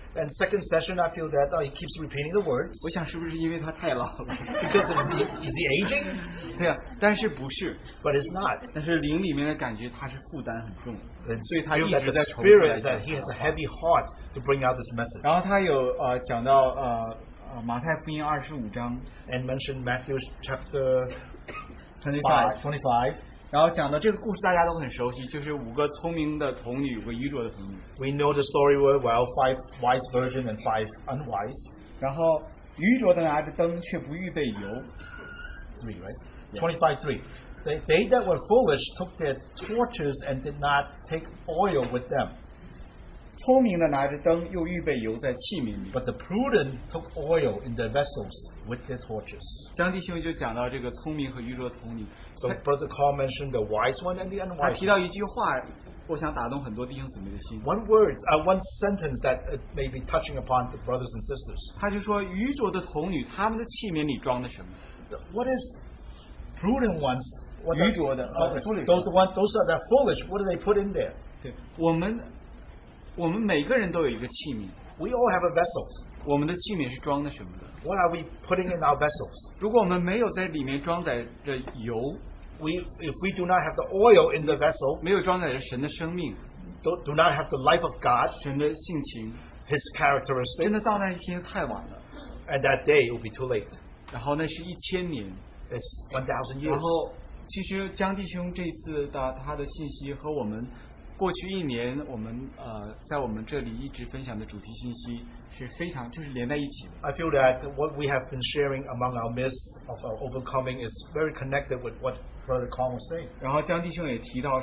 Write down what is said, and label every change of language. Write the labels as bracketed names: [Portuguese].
[English] And second session, I feel that he keeps repeating the words. [Chinese] 我想是不是因为他太老了？ [English] Is he aging? [Chinese] 对啊，但是不是。 [English] But it's not. [Chinese] 但是灵里面的感觉，他是负担很重。所以他一直在重复。 [English] He has a heavy heart to bring out this message. [Chinese] 然后他有讲到马太福音二十五章。 [English] And mentioned Matthew chapter 25. [Chinese] 然后讲的这个故事大家都很熟悉，就是五个聪明的童女，五个愚拙的童女。 [English] We know the story well, five wise virgins and five unwise. [Chinese] 然后愚拙的拿着灯却不预备油。 [English] 3, right? 25:3. Yeah. They that were foolish took their torches and did not take oil with them. [Chinese] 聪明的拿着灯又预备油在器皿里。 [English] But the prudent took oil in their vessels with their torches. [Chinese] 江弟兄就讲到这个聪明和愚拙童女。 [English] So Brother Carl mentioned the wise one and the unwise. [Chinese] 他提到一句话，我想打动很多弟兄姊妹的心。 [English] One word, one sentence that may be touching upon the brothers and sisters. [Chinese] 他就说，愚拙的童女，他们的器皿里装的什么？ [English] What is prudent ones? [Chinese] 愚拙的， [English] those that are foolish. What do they put in there? [Chinese] 对，我们每个人都有一个器皿。 [English] We all have a vessel. [Chinese] 我们的器皿是装的什么的？ [English] What are we putting in our vessels? [Chinese] 如果我们没有在里面装载着油, [English] if we do not have the oil in the vessel, [Chinese] 没有装载着神的生命, [English] do not have the life of God, [Chinese] 神的性情, [English] His characteristics, [Chinese] 真的到那一天太晚了, [English] and that day will be too late. [Chinese] 然后那是1000年, [English] it's 1000 years. [Chinese] 然后其实江弟兄这次的他的信息和我们 过去一年我们在我们这里一直分享的主题信息是非常就是连在一起的。 [English] I feel that what we have been sharing among our myths of our overcoming is very connected with what Brother Carl was saying.